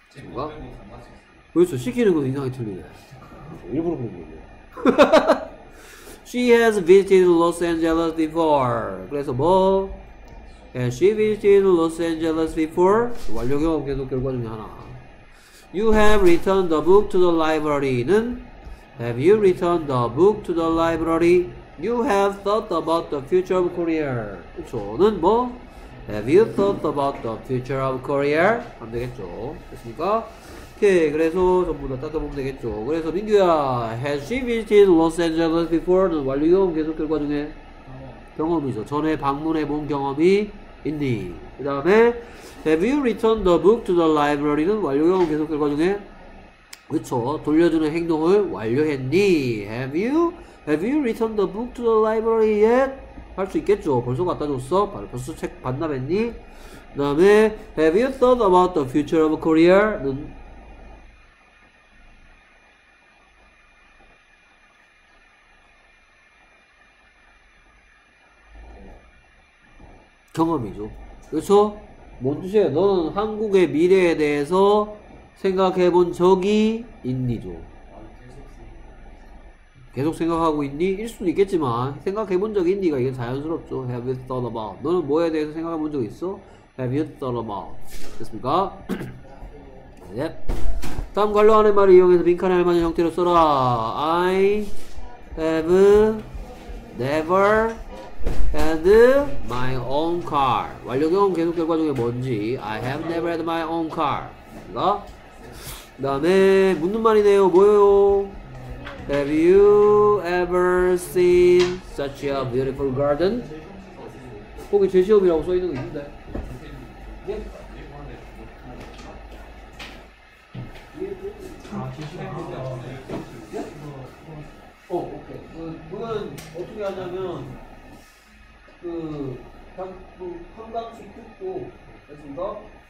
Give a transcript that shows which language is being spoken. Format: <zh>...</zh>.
<ko>뭔가? 그렇죠. 시키는 것도 이상하게 틀리네. 일부러 그런 거네.</ko> <en>She has visited Los Angeles before.</en> <ko>그래서 뭐?</ko> <en>Has she visited Los Angeles before?</en> <ko>완료형 계속 결과 중에 하나.</ko> <en>You have returned the book to the library는? Have you returned the book to the library? You have thought about the future of career.</en> <ko>그렇죠.는 뭐?</ko> <en>Have you thought about the future of career?</en> <ko>안 되겠죠. 됐습니까? 오케이. 그래서 전부 다 따져보면 되겠죠. 그래서 민규야,</ko> <en>Has she visited Los Angeles before?</en> <ko>완료형 계속 결과 중에 경험이죠. 전에 방문해 본 경험이 있니? 그 다음에</ko> <en>Have you returned the book to the library</en> <ko>는 완료형 계속 결과 중에 그쵸. 돌려주는 행동을 완료했니?</ko> <en>Have you returned the book to the library yet?</en> <ko>할 수 있겠죠. 벌써 갖다 줬어? 벌써 책 반납했니? 그 다음에</ko> <en>Have you thought about the future of career?</en> <ko>는 경험이죠. 그렇죠? 뭔 뜻이에요? 너는 한국의 미래에 대해서 생각해 본 적이 있니죠? 계속 생각하고 있니? 일 수도 있겠지만 생각해 본 적이 있니가 이게 자연스럽죠.</ko> <en>Have you thought about?</en> <ko>너는 뭐에 대해서 생각해 본 적 있어?</ko> <en>Have you thought about?</en> <ko>됐습니까? 예. 다음 관로하는 말을 이용해서 빈칸에 알맞은 형태로 써라.</ko> <en>I have never had my own car.</en> <ko>완료형 계속 결과 중에 뭔지.</ko> <en>I have never had my own car.</en> <ko>됐습니까? 그 다음에 묻는 말이네요. 뭐예요?</ko> <en>Have you ever seen such a beautiful garden?</en> <ko>거기 제시업이라고 써 있는 거 있는데. 예? 그건 어떻게 하냐면 한 방씩 듣고 됐습니까?</ko>